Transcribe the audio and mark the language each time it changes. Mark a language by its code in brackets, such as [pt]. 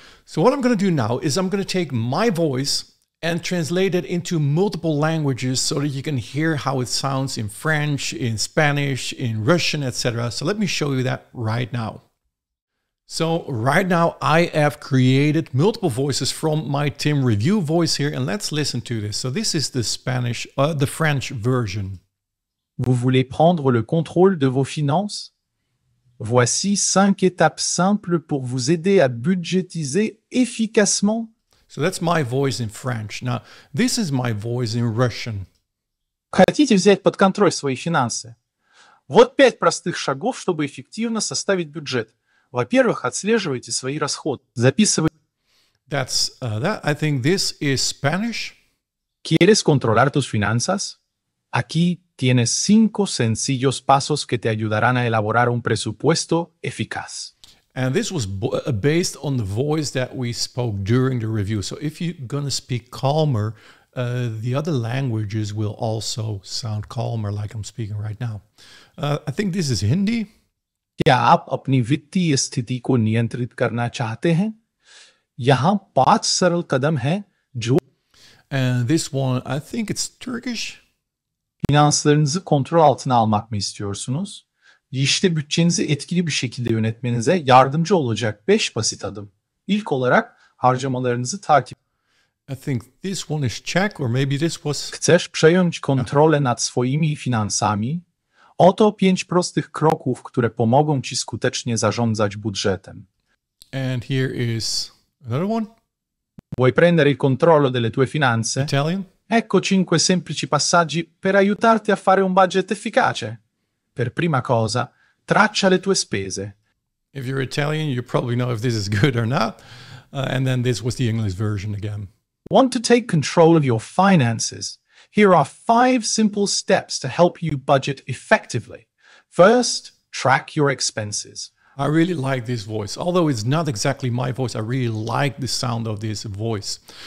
[en] So what I'm going to do now is I'm going to take my voice and translate it into multiple languages so that you can hear how it sounds in French, in Spanish, in Russian, etc. So let me show you that right now. So right now I have created multiple voices from my Tim review voice here, and let's listen to this. So this is the Spanish, the French version. [fr] Vous voulez prendre le contrôle de vos finances? Voici cinq étapes simples pour vous aider à budgétiser efficacement. [en] So that's my voice in French. Now, this is my voice in Russian. [ru] Хотите взять под контроль свои финансы? Вот пять простых шагов, чтобы эффективно составить бюджет. Во-первых, отслеживайте свои расходы. Записывайте. [en] That's that. I think this is Spanish. [es] ¿Quieres controlar tus finanzas? Aquí tienes cinco sencillos pasos que te ayudarán a elaborar un presupuesto eficaz. [en] And this was based on the voice that we spoke during the review. So if you're going to speak calmer, the other languages will also sound calmer, like I'm speaking right now. I think this is Hindi. [hi] क्या आप अपनी वित्तीय स्थिति को नियंत्रित करना चाहते हैं? यहाँ पांच सरल कदम हैं जो. [en] And this one, I think it's Turkish. [tr] Finanslarınızı kontrol altına almak mı istiyorsunuz? İşte bütçenizi etkili bir şekilde yönetmenize yardımcı olacak 5 basit adım. İlk olarak harcamalarınızı takip. [en] I think this one is Czech, or maybe this was. [pl] Chcesz przejąć kontrolę nad swoimi finansami? Oto 5 prostych kroków, które pomogą ci skutecznie zarządzać budżetem. [en] And here is another one. [it] Vuoi prendere il controllo delle tue finanze? [en] Italian? [it] Ecco 5 semplici passaggi per aiutarti a fare un budget efficace. Per prima cosa, traccia le tue spese. [en] If you're Italian, you probably know if this is good or not. And then this was the English version again. Want to take control of your finances? Here are 5 simple steps to help you budget effectively. First, track your expenses. I really like this voice. Although it's not exactly my voice, I really like the sound of this voice.